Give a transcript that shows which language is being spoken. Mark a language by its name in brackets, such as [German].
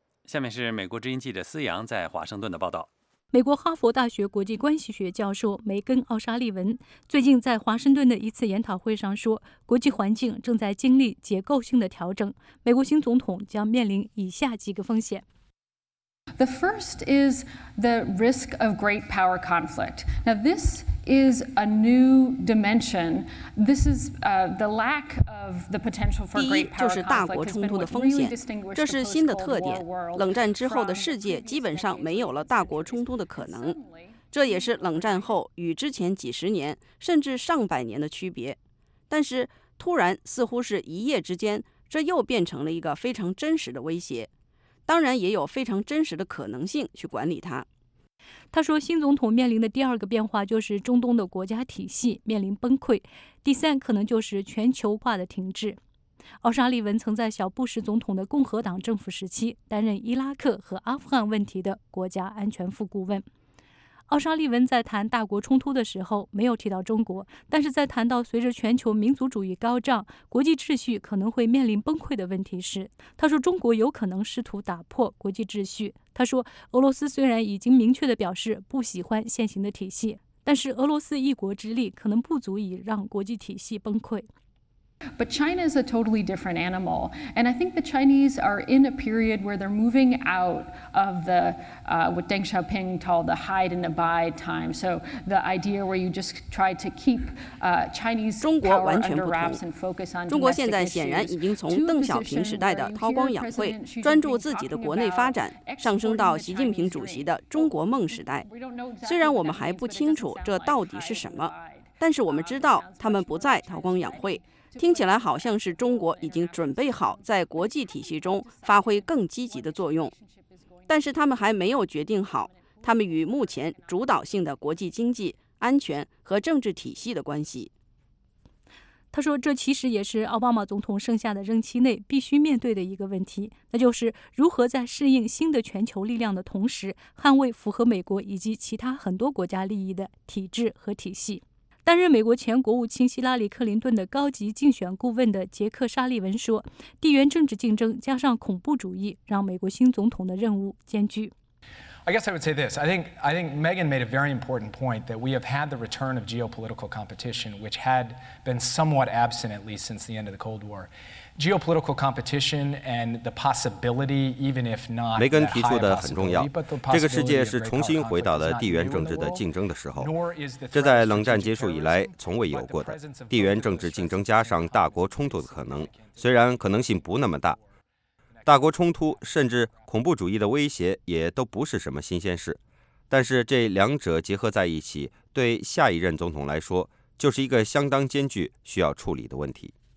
[Chinese] 下面是美国之音记者思阳在华盛顿的报道。美国哈佛大学国际关系学教授梅根·奥沙利文最近在华盛顿的一次研讨会上说，国际环境正在经历结构性的调整，美国新总统将面临以下几个风险。 [English] The first is the risk of great power conflict. Now this is a new dimension. This is the lack of the potential for great power conflict. [Chinese] 第一就是大国冲突的风险，这是新的特点。冷战之后的世界基本上没有了大国冲突的可能，这也是冷战后与之前几十年甚至上百年的区别。但是突然似乎是一夜之间，这又变成了一个非常真实的威胁。当然也有非常真实的可能性去管理它。他说，新总统面临的第二个变化就是中东的国家体系面临崩溃，第三可能就是全球化的停滞。奥沙利文曾在小布什总统的共和党政府时期担任伊拉克和阿富汗问题的国家安全副顾问。奥沙利文在谈大国冲突的时候没有提到中国，但是在谈到随着全球民族主义高涨，国际秩序可能会面临崩溃的问题时，他说中国有可能试图打破国际秩序。他说，俄罗斯虽然已经明确地表示不喜欢现行的体系，但是俄罗斯一国之力可能不足以让国际体系崩溃。 [English] But China is a totally different animal, and I think the Chinese are in a period where they're moving out of the what Deng Xiaoping called the hide and abide time. So the idea where you just try to keep Chinese power under wraps and focus on [Chinese] 中国现在显然已经从邓小平时代的韬光养晦、专注自己的国内发展，上升到习近平主席的中国梦时代。虽然我们还不清楚这到底是什么，但是我们知道他们不再韬光养晦。听起来好像是中国已经准备好在国际体系中发挥更积极的作用，但是他们还没有决定好他们与目前主导性的国际经济、安全和政治体系的关系。他说，这其实也是奥巴马总统剩下的任期内必须面对的一个问题，那就是如何在适应新的全球力量的同时，捍卫符合美国以及其他很多国家利益的体制和体系。担任美国前国务卿希拉里·克林顿的高级竞选顾问的杰克·沙利文说，地缘政治竞争加上恐怖主义让美国新总统的任务艰巨。 [English] I guess I would say this. I think Megan made a very important point that we have had the return of geopolitical competition, which had been somewhat absent at least since the end of the Cold War. Geopolitical competition and the possibility, even if not, [Chinese] 梅根提出的很重要。这个世界是重新回到了地缘政治的竞争的时候，这在冷战结束以来从未有过的。地缘政治竞争加上大国冲突的可能，虽然可能性不那么大，大国冲突甚至恐怖主义的威胁也都不是什么新鲜事，但是这两者结合在一起，对下一任总统来说，就是一个相当艰巨需要处理的问题。